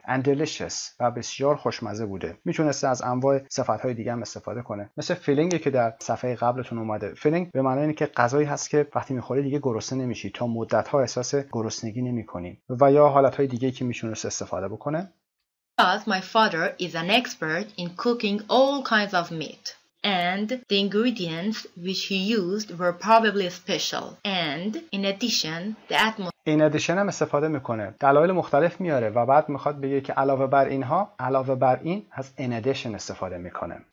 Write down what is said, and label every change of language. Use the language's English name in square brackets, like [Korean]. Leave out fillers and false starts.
[English] And delicious, [Persian] و بسیار خوشمزه بوده. میتونسته از انواع صفتهای دیگه هم استفاده کنه. مثل فیلینگی که در صفحه قبلتون اومده. فیلینگ به معنی اینه که غذایی هست که وقتی میخوری دیگه گرسنه نمیشی, تا مدت ها احساس گرسنگی نمی کنی. و یا حالت های دیگه که میتونست استفاده بکنه. [English] Because my father is an expert in cooking all kinds of meat. And the ingredients which he used were probably special. And in addition, the atmosphere. In addition [Persian] هم استفاده میکنه. دلایل مختلف میاره و بعد میخواد بگه که علاوه بر اینها, علاوه بر این, از [English] in addition [Persian] استفاده میکنه.